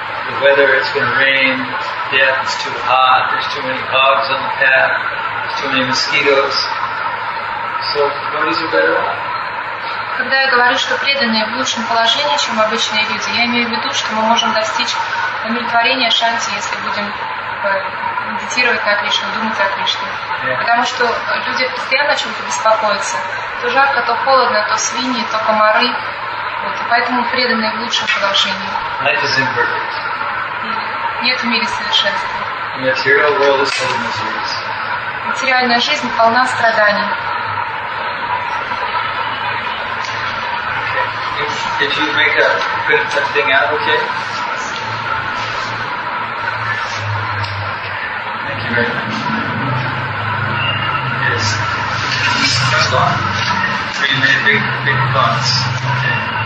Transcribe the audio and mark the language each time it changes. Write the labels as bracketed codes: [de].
[en] The weather, it's going to rain, death, it's too hot, there's too many bugs on the path, there's too many mosquitoes. So, nobody's better off. [ru] Когда я говорю, что преданные в лучшем положении, чем обычные люди, я имею в виду, что мы можем достичь умиротворения шанти, если будем медитировать на Кришну, думать о Кришне. [en] Yeah. [ru] Потому что люди постоянно о чем-то беспокоятся. То жарко, то холодно, то свиньи, то комары. Вот. И поэтому преданные в лучшем положении. [en] Life is imperfect. [ru] Нет в мире совершенства. [en] The material world is full of miseries. [ru] Материальная жизнь полна страданий. [en] Okay. If you make a good thing out, okay? Thank you very much. Yes. Just on. Three minute big thoughts. Okay.